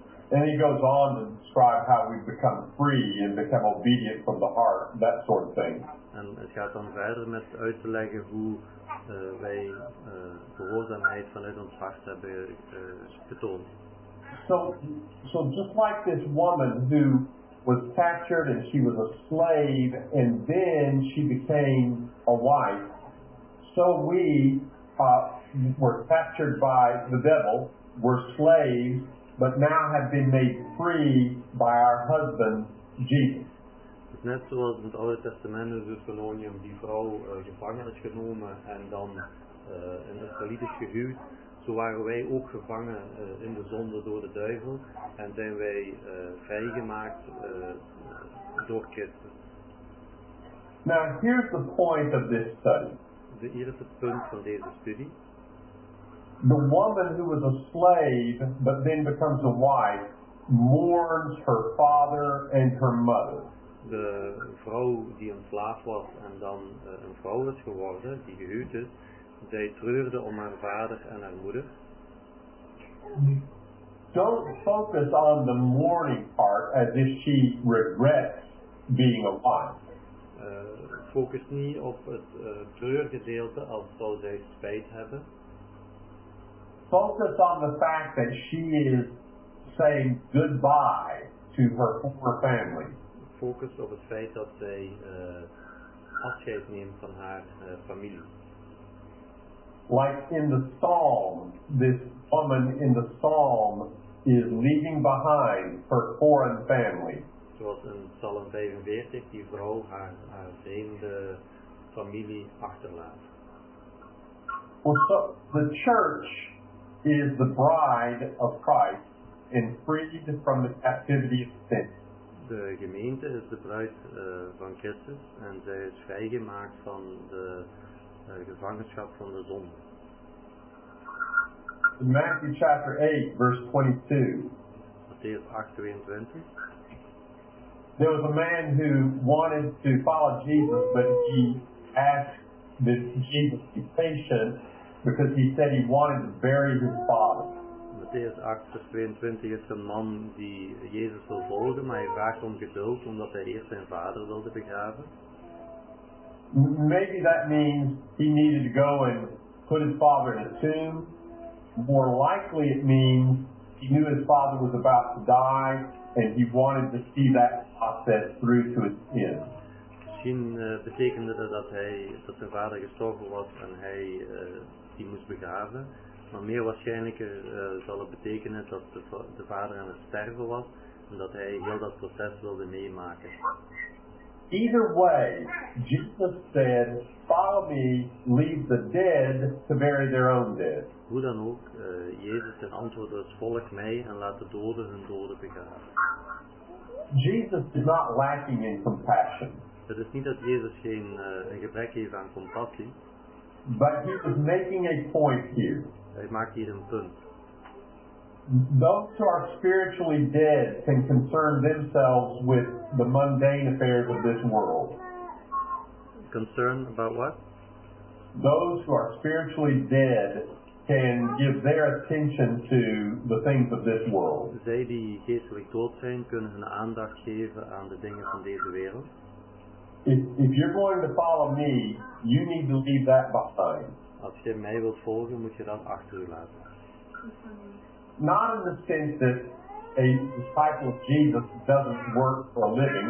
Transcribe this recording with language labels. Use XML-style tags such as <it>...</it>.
<en>And he goes on to describe how we become free and become obedient from the heart, that sort of thing.</en> <nl>En het gaat dan verder met uit te leggen hoe wij gehoorzaamheid vanuit ons hart hebben getoond.</nl> <en>So just like this woman who was captured and she was a slave and then she became a wife, so we were captured by the devil, were slaves, but now have been made free by our husband, Jesus.</en> <nl>Net zoals in het Oude Testament in Deuteronomium die vrouw gevangen is genomen en dan in Israëliet is gehuwd, zo waren wij ook gevangen in de zonde door de duivel en zijn wij vrijgemaakt door Christus.</nl> <en>Now here's the point of this study.</en> <nl>Hier is het punt van deze studie.</nl> <en>The woman who was a slave but then becomes a wife mourns her father and her mother.</en> <nl>De vrouw die een slaaf was en dan een vrouw is geworden, die gehuwd is, zij treurde om haar vader en haar moeder.</nl> <en>Don't focus on the mourning part as if she regrets being a wife.</en> <nl>Focus niet op het treurgedeelte als zou zij spijt hebben.</nl> <en>Focus on the fact that she is saying goodbye to her former family.</en> <nl>Focus op het feit dat zij afscheid neemt van haar familie.</nl> <en>Like in the psalm, this woman in the psalm is leaving behind her foreign family.</en> <nl>Zoals in Psalm 45, die vrouw haar vreemde familie achterlaat.</nl> <en>Well, so the church is the bride of Christ and freed from the captivity of sin.</en> <nl>De gemeente is de bruid van Christus en zij is vrijgemaakt van de gevangenschap van de zonde.</nl> <en>In Matthew chapter 8, verse 22.</en> <nl>Matthäus 8, 22.</nl> <en>There was a man who wanted to follow Jesus, but he asked Jesus to be patient because he said he wanted to bury his father.</en> <nl>Matthäus 8, vers 22 is een man die Jezus wil volgen, maar hij vraagt om geduld omdat hij eerst zijn vader wilde begraven.</nl> <en>Maybe that means he needed to go and put his father in a tomb. More likely it means he knew his father was about to die and he wanted to see that process through to its end.</en> <nl>Misschien betekende dat zijn vader gestorven was en hij die moest begraven. Maar meer waarschijnlijker zal het betekenen dat de vader aan het sterven was en dat hij heel dat proces wilde meemaken.</nl> <en>Either way, Jesus said, follow me, leave the dead to bury their own dead.</en> <nl>Hoe dan ook, Jezus zijn antwoord is, volg mij en laat de doden hun doden begraven.</nl> <en>Jesus is not lacking in compassion.</en> <nl>Het is niet dat Jezus geen een gebrek heeft aan compassie.</nl> <en>But he is making a point here.</en> <nl>Hij maakt hier een punt.</nl> <en>Those who are spiritually dead can concern themselves with the mundane affairs of this world. Concern about what? Those who are spiritually dead can give their attention to the things of this world.</en> <nl>Zij die geestelijk dood zijn kunnen hun aandacht geven aan de dingen van deze wereld.</nl> <en>If you're going to follow me, you need to leave that behind.</en> <nl>Als je mij wilt volgen, moet je dat achter u laten.</nl> <en>Not in the sense that a disciple of Jesus doesn't work for a living.</en>